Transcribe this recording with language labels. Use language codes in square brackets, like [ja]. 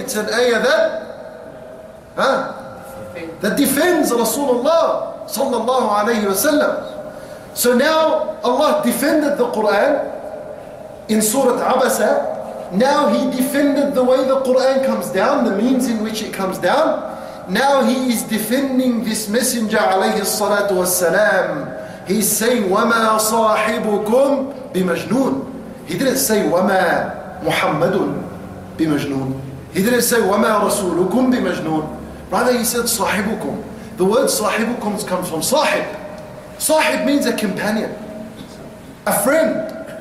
[en] It's an ayah that, that defends Rasulullah sallallahu alayhi wa sallam. So now Allah defended the Quran in Surah Abasa. Now he defended the way the Quran comes down, the means in which it comes down. Now he is defending this messenger alayhi salatu wa salam. He's saying, [ar] وَمَا صَاحِبُكُمْ بِمَجْنُونَ. [en] He didn't say [ar] وَمَا مُحَمَّدٌ بِمَجْنُونَ. [en] He didn't say [ar] وَمَا رَسُولُكُمْ بِمَجْنُونَ. [en] Rather he said صَاحِبُكُمْ. The word صَاحِبُكُمْ comes from صَاحِب. صَاحِب means a companion. A friend.